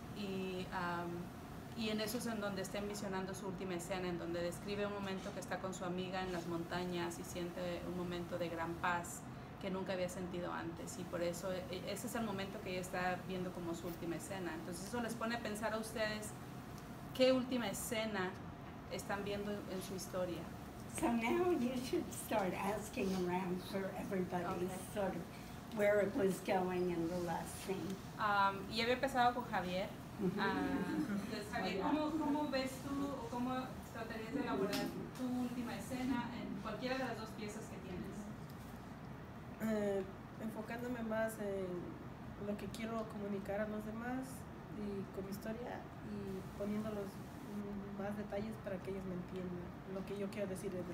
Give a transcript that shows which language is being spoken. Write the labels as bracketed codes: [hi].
[es] Y en eso es en donde está envisionando su última escena, en donde describe un momento que está con su amiga en las montañas y siente un momento de gran paz que nunca había sentido antes. Y por eso, ese es el momento que ella está viendo como su última escena. Entonces, eso les pone a pensar a ustedes qué última escena están viendo en su historia. [en] So now you should start asking around for everybody, sort of where it was going in the last scene. [es] Y había empezado con Javier. Entonces, Javier, ¿cómo ves tú, o cómo tratarías de elaborar tu última escena en cualquiera de las dos piezas que tienes? Enfocándome más en lo que quiero comunicar a los demás y con mi historia, y poniéndolos más detalles para que ellos me entiendan lo que yo quiero decir desde